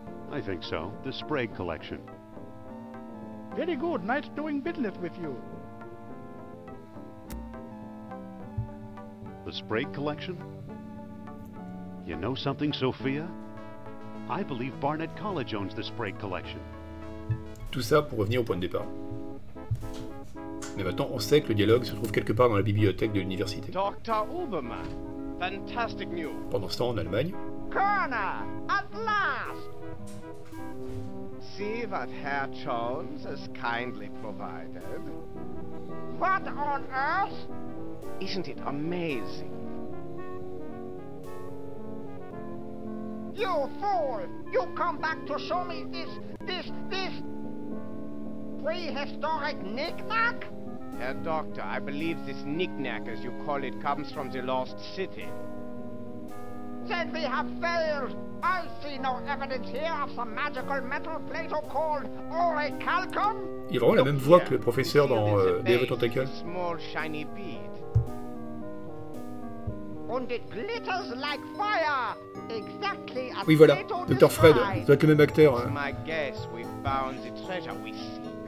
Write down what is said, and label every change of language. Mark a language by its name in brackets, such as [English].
[English] I think so, the Sprague collection. Very good, nice doing business with you. The Sprague collection? You know something, Sophia? I believe Barnett College owns the Sprague collection. [French] Tout ça pour revenir au point de départ. Mais maintenant, on sait que le dialogue se trouve quelque part dans la bibliothèque de l'université. [English] Dr. Obermann. Fantastic news. [French] Pendant ce temps, en Allemagne. [English] Colonel, at last! See what Herr Jones has kindly provided. What on earth? Isn't it amazing? You fool! You come back to show me this prehistoric knick-knack? Herr Doctor, I believe this knick-knack, as you call it, comes from the Lost City. Then we have failed! I see no evidence here of some magical metal Plato called Orichalcum! [French] Il a vraiment la même voix que le professeur dans Les Vœux Tentacles. [English] A small shiny bead. And it glitters like fire! Exactly as Plato. [French] Oui, voilà, Docteur Fred, vous êtes le même acteur. [English] It's my guess we found the treasure we seek.